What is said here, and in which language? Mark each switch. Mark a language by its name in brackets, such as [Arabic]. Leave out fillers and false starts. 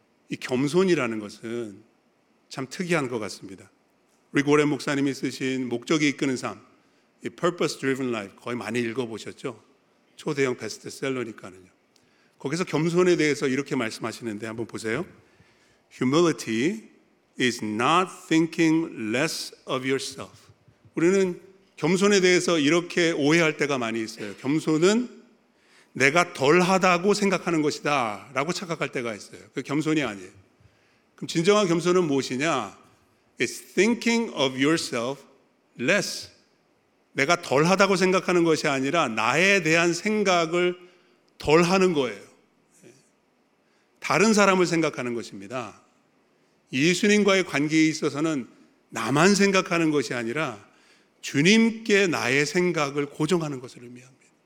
[Korean] 이 겸손이라는 것은 참 특이한 것 같습니다. 리고렌 목사님이 쓰신 목적이 이끄는 삶, 이 purpose driven life 거의 많이 읽어보셨죠? 초대형 베스트셀러니까는요. 거기서 겸손에 대해서 이렇게 말씀하시는데 한번 보세요. [English] Humility is not thinking less of yourself. [Korean] 우리는 겸손에 대해서 이렇게 오해할 때가 많이 있어요. 겸손은 내가 덜하다고 생각하는 것이다 라고 착각할 때가 있어요. 그 겸손이 아니에요. 그럼 진정한 겸손은 무엇이냐? [English] It's thinking of yourself less. [Korean] 내가 덜하다고 생각하는 것이 아니라 나에 대한 생각을 덜하는 거예요. 다른 사람을 생각하는 것입니다. 예수님과의 관계에 있어서는 나만 생각하는 것이 아니라 주님께 나의 생각을 고정하는 것을 의미합니다.